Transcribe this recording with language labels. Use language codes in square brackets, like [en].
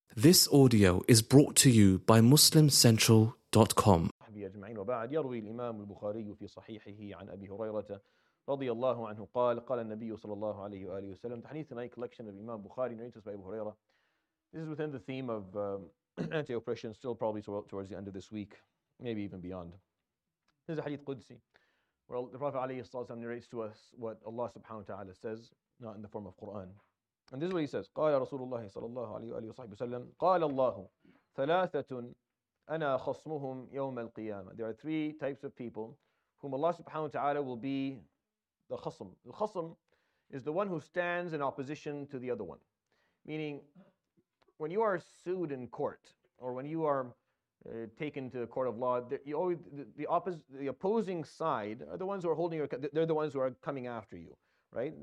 [en] This audio is brought to you by MuslimCentral.com. [ar] أحبي أجمعين وبعد يروي الإمام البخاري في صحيحه عن أبي هريرة رضي الله عنه قال قال النبي صلى الله عليه وآله وسلم تحديث [en] my collection of Imam Bukhari narrated by Abu Huraira. This is within the theme of anti-oppression still probably towards the end of this week, maybe even beyond. This is a hadith Qudsi where the Prophet [ar] عليه الصلاة والسلام [en] narrates to us what Allah subhanahu wa ta'ala says, not in the form of Quran. And this is what he says. [ar] قال رسول الله صلى الله عليه وآله وسلم قال الله ثلاثة أنا خصمهم يوم القيامة. [en] There are three types of people whom Allah subhanahu wa ta'ala will be the khasm. The khasm is the one who stands in opposition to the other one. Meaning, when you are sued in court or when you are taken to a court of law, the opposing side are the ones who are holding your, they're the ones who are coming after you. Right?